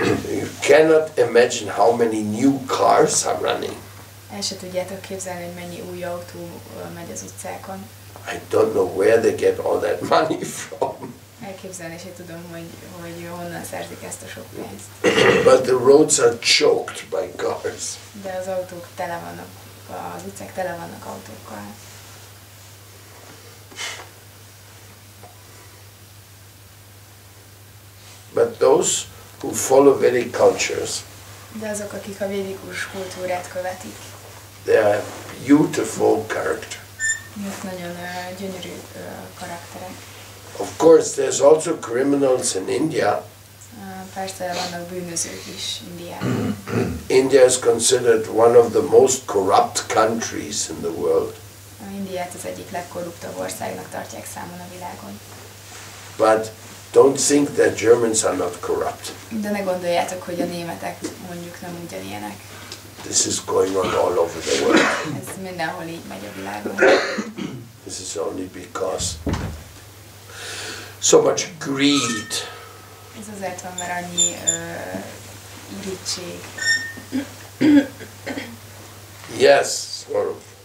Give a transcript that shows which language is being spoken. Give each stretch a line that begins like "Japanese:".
English: You cannot imagine how many new cars are running.
Hungarian: El se tudjátok képzelni, hogy mennyi új autó megy az utcákon.
English: I don't know where they get all that money from.
Hungarian: Elképzelni se tudom, hogy honnan szerzik ezt a sok pénzt.
English: But the roads are choked by cars.
Hungarian: De az autók tele vannak, az utcák tele vannak autókkal.
English: But those who follow Vedic cultures,
Hungarian: de azok, akik a védikus kultúrát követik,
English: they are beautiful character.
Hungarian: Nagyon gyönyörű karakterek.
English: Of course, there's also criminals in India.
Hungarian: Persze vannak bűnözők is Indiában.
English: India is considered one of the most corrupt countries in the world.
Hungarian: Indiát az egyik legkorruptabb országnak tartják számon a világon.
English: But don't think that Germans are not corrupt.
Hungarian: De ne gondoljátok, hogy a németek mondjuk nem ugyanilyenek.
English: This is going on all over the world.
Hungarian: Ez mindenhol így megy a világon.
English: This is only because so much greed.
Hungarian: Ez azért van, mert annyi irítség.
English: Yes, Swarup.